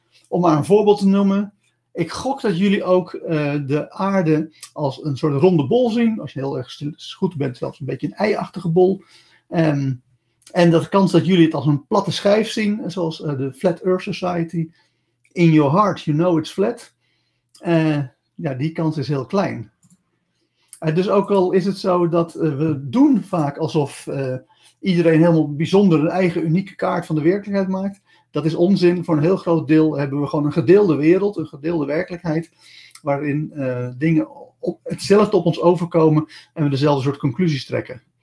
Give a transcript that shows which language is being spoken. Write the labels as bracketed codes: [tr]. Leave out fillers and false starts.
[nl] Om maar een voorbeeld te noemen, ik gok dat jullie ook de aarde als een soort ronde bol zien. Als je heel erg goed bent, zelfs een beetje een ei-achtige bol. En dat kans dat jullie het als een platte schijf zien, zoals de Flat Earth Society. [en] In your heart, you know it's flat. [nl] Ja, die kans is heel klein. Dus ook al is het zo dat we doen vaak alsof iedereen helemaal bijzonder een eigen unieke kaart van de werkelijkheid maakt. Dat is onzin. Voor een heel groot deel hebben we gewoon een gedeelde wereld, een gedeelde werkelijkheid, waarin dingen hetzelfde op ons overkomen en we dezelfde soort conclusies trekken.